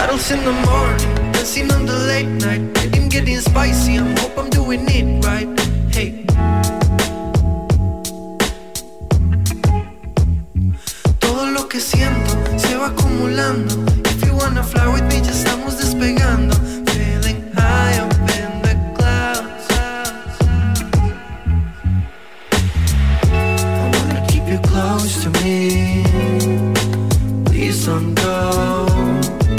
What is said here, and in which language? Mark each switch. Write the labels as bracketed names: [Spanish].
[English] In the morning, dancing on the late night, getting spicy, I hope I'm doing it right. [Spanish] Hey, todo lo que siento se va acumulando. [English] If you wanna fly with me, [Spanish] ya estamos despegando. [English] Feeling high up in the clouds, I wanna keep you close to me. Please don't go.